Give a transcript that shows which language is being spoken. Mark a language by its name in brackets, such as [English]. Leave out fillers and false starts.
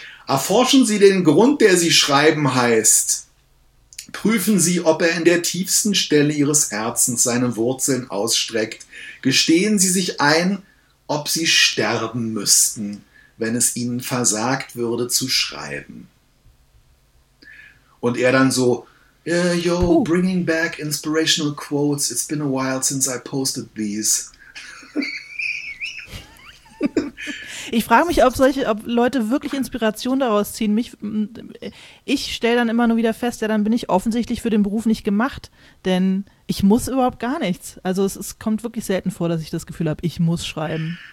[German] Erforschen Sie den Grund, der Sie schreiben heißt. Prüfen Sie, ob er in der tiefsten Stelle Ihres Herzens seine Wurzeln ausstreckt. Gestehen Sie sich ein, ob Sie sterben müssten, wenn es Ihnen versagt würde, zu schreiben. Und er dann so, [English] bringing back inspirational quotes, it's been a while since I posted these. [German] Ich frage mich, ob Leute wirklich Inspiration daraus ziehen. Ich stelle dann immer nur wieder fest, ja, dann bin ich offensichtlich für den Beruf nicht gemacht, denn Ich muss überhaupt gar nichts. Also es kommt wirklich selten vor, dass ich das Gefühl habe, ich muss schreiben.